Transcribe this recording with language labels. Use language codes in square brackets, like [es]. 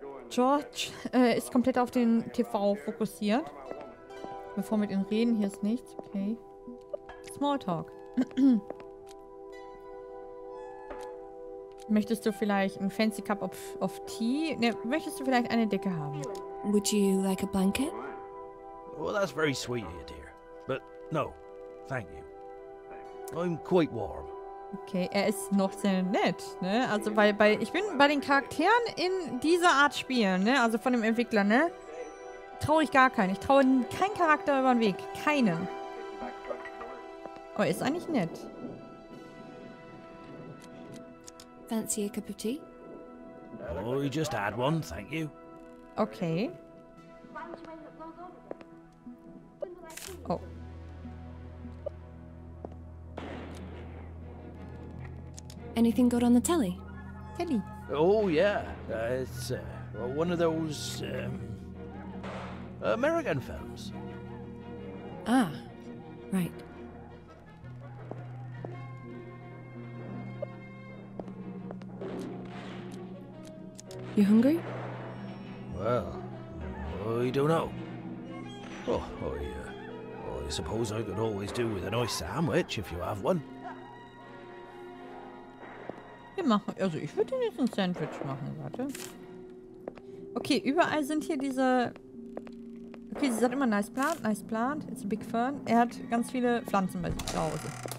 [de] George ist komplett auf den TV fokussiert. Bevor wir mit ihm reden, hier ist nichts. Okay. Smalltalk. Möchtest du vielleicht ein [en] fancy cup of tea? [de] Ne, möchtest du vielleicht eine Decke haben? [en] Would you like a blanket? Well, that's very sweet of you, dear. But no, thank you. I'm quite warm. [de] Okay, er ist noch sehr nett, ne? Also, weil bei, ich bin bei den Charakteren in dieser Art spielen, ne? Also von dem Entwickler, ne? Traue ich gar keinen. Ich traue keinen Charakter über den Weg. Keinen. Aber er ist eigentlich nett. [en] Fancy a cup of tea? Oh, you just had one, thank you. Okay. Oh. Anything good on the telly? Telly? Oh, yeah. It's one of those American films. Ah, right. You hungry? Well, I don't know. Oh, yeah. I suppose I could always do with a nice sandwich, if you have one. [de] Wir machen, also ich würde jetzt ein Sandwich machen, warte. Okay, überall sind hier diese... Okay, sie sagt immer, [en] nice plant, it's a big fern. [de] Er hat ganz viele Pflanzen bei sich zu Hause.